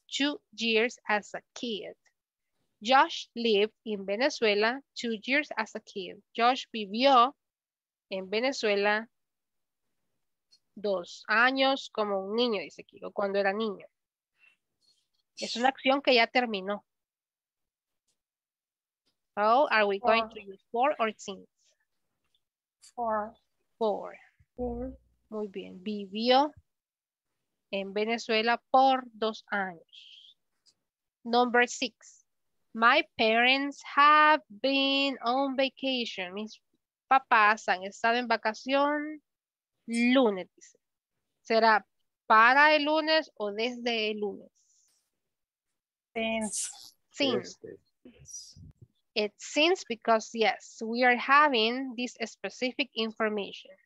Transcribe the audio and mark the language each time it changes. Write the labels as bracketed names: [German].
[English] 2 years as a kid. Josh lived in Venezuela 2 years as a kid. [Spanish] Josh vivió en Venezuela 2 años como un niño, dice aquí, o cuando era niño. Es una acción que ya terminó. [English] How are we going to use for or since? For. [Spanish] Muy bien. Vivió en Venezuela por 2 años. [English] Number 6. My parents have been on vacation. [Spanish] Mis papás han estado en vacación lunes, dice. ¿Será para el lunes o desde el lunes? [English] Since. Since. It's since, because yes, we are having this specific information.